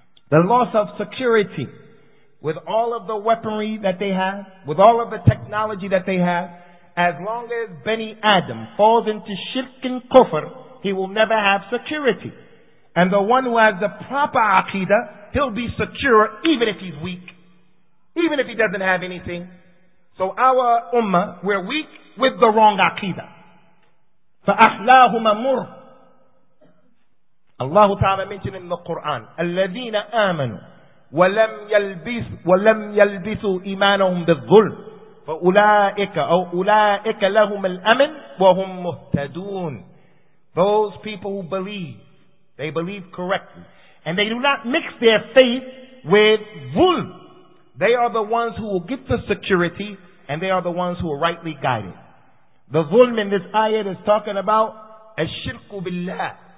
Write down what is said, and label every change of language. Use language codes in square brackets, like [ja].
[en] The loss of security. With all of the weaponry that they have, with all of the technology that they have, as long as Bani Adam falls into shirk and kufr, he will never have security. And the one who has the proper aqidah, he'll be secure even if he's weak. Even if he doesn't have anything. So our ummah, we're weak with the wrong aqidah. فَأَحْلَاهُ مَمُرْ. Allah Ta'ala mentioned in the Quran, [ar] الَّذِينَ آمَنُوا وَلَمْ يَلْبِسُوا إِمَانَهُمْ بِالظُّلْمِ فَأُولَٰئِكَ أَوْ أُولَٰئِكَ لَهُمَ الْأَمِنُ وَهُمْ مُهْتَدُونَ. [en] Those people who believe, they believe correctly. And they do not mix their faith with zulm. They are the ones who will get the security, and they are the ones who are rightly guided. The zulm in this ayat is talking about [ar] الشِّرْكُ بِاللَّهِ.